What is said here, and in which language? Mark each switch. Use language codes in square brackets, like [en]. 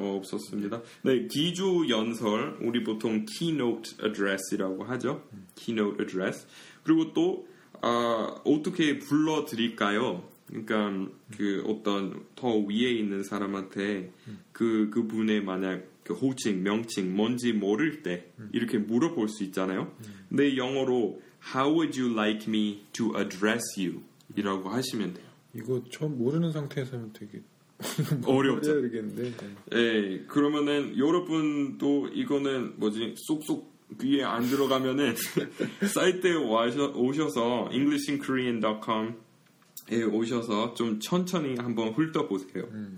[ko] 없었습니다. 네, 기조 연설 우리 보통 keynote address이라고 하죠. Keynote address. 그리고 또 어떻게 불러드릴까요? 그러니까 그 어떤 더 위에 있는 사람한테 그분의 만약 그 호칭, 명칭 뭔지 모를 때 이렇게 물어볼 수 있잖아요. 근데 영어로 [en] How would you like me to address you? [ko] 이라고 하시면 돼요. 이거 처음 모르는 상태에서는 되게 어렵죠. 되겠는데. 네. 에이, 그러면은 여러분도 이거는 뭐지 쏙쏙 귀에 안 들어가면은 사이트에 오셔서 englishinkorean.com 에 오셔서 좀 천천히 한번 훑어보세요.